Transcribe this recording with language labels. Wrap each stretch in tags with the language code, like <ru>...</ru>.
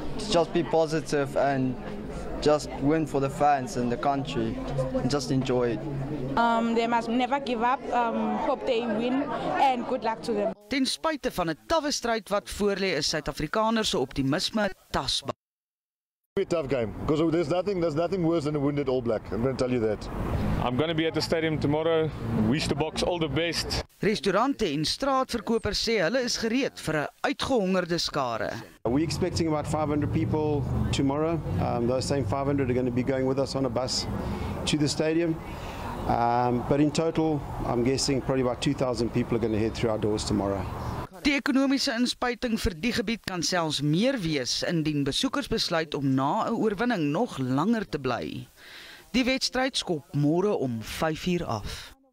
<en>Just be positive and just win for the fans and the country and just enjoy it. They must never give up. Hope they win and good luck to them.</en> <af>Ten spyte van 'n tawwe stryd wat voorlê, is Suid-Afrikaners se optimisme tasbaar.</af> <en>be a tough game because there's nothing worse than a wounded All Black. I'm going to tell you that. I'm going to be at the stadium tomorrow. Wish the box all the best.</en> <af>Restaurante en straatverkopers sê hulle is gereed vir 'n uitgehongerde skare.</af> <en>We're expecting about 500 people tomorrow. Those same 500 are going to be going with us on a bus to the stadium. But in total, I'm guessing probably about 2,000 people are going to head through our doors tomorrow.</en> <af>Die ekonomiese inspuiting vir die gebied kan selfs meer wees indien besoekers besluit om na 'n oorwinning nog langer te bly. Die wedstryd skop môre om 5:00 af.</af>